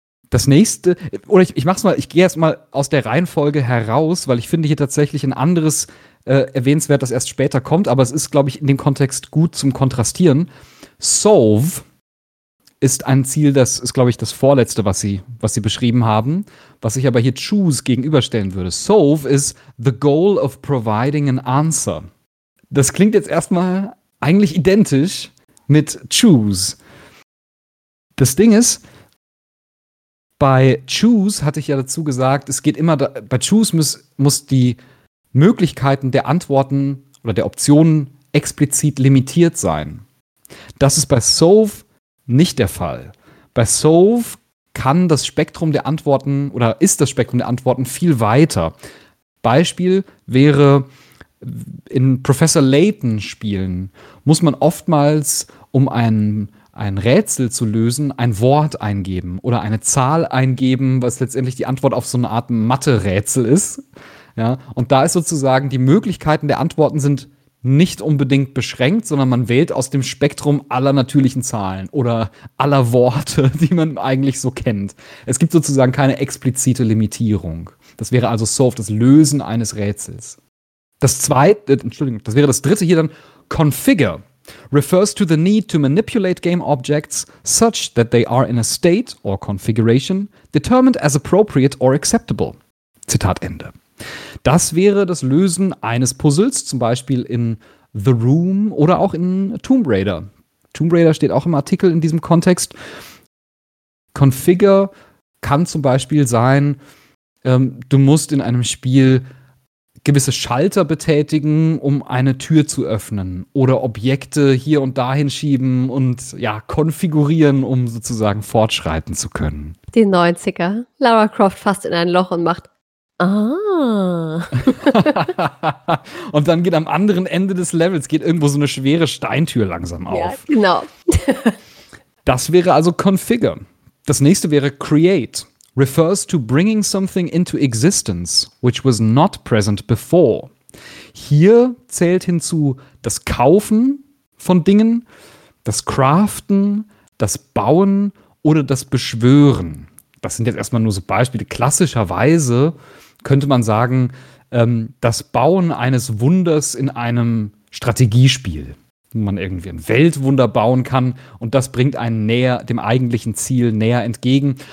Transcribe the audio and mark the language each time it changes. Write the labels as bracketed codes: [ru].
[de] Das nächste, oder ich gehe erstmal aus der Reihenfolge heraus, weil ich finde hier tatsächlich ein anderes erwähnenswert, das erst später kommt, aber es ist, glaube ich, in dem Kontext gut zum Kontrastieren. Solve ist ein Ziel, das ist, glaube ich, das vorletzte, was sie beschrieben haben, was ich aber hier choose gegenüberstellen würde. [en] Solve is the goal of providing an answer. [de] Das klingt jetzt erstmal eigentlich identisch mit choose. Das Ding ist, bei choose hatte ich ja dazu gesagt, es geht immer, bei choose muss die Möglichkeiten der Antworten oder der Optionen explizit limitiert sein. Das ist bei Solve nicht der Fall. Bei Solve kann das Spektrum der Antworten oder ist das Spektrum der Antworten viel weiter. Beispiel wäre, in Professor Layton Spielen muss man oftmals, um ein Rätsel zu lösen, ein Wort eingeben oder eine Zahl eingeben, was letztendlich die Antwort auf so eine Art Mathe-Rätsel ist. Ja? Und da ist sozusagen, die Möglichkeiten der Antworten sind nicht unbedingt beschränkt, sondern man wählt aus dem Spektrum aller natürlichen Zahlen oder aller Worte, die man eigentlich so kennt. Es gibt sozusagen keine explizite Limitierung. Das wäre also Solve, das Lösen eines Rätsels. Das wäre das dritte hier dann. [en] Configure refers to the need to manipulate game objects such that they are in a state or configuration determined as appropriate or acceptable. [de] Zitat Ende. Das wäre das Lösen eines Puzzles, zum Beispiel in The Room oder auch in Tomb Raider. Tomb Raider steht auch im Artikel in diesem Kontext. Configure kann zum Beispiel sein, du musst in einem Spiel gewisse Schalter betätigen, um eine Tür zu öffnen oder Objekte hier und da hinschieben und ja, konfigurieren, um sozusagen fortschreiten zu können. Die 90er. Lara Croft fasst in ein Loch und macht Und dann geht am anderen Ende des Levels geht irgendwo so eine schwere Steintür langsam auf. Ja, genau. Das wäre also Configure. Das nächste wäre Create. [en] Refers to bringing something into existence, which was not present before. [de] Hier zählt hinzu das Kaufen von Dingen, das Craften, das Bauen oder das Beschwören. Das sind jetzt erstmal nur so Beispiele. Klassischerweise könnte man sagen, das Bauen eines Wunders in einem Strategiespiel, wo man irgendwie ein Weltwunder bauen kann und das bringt einen näher dem eigentlichen Ziel näher entgegen.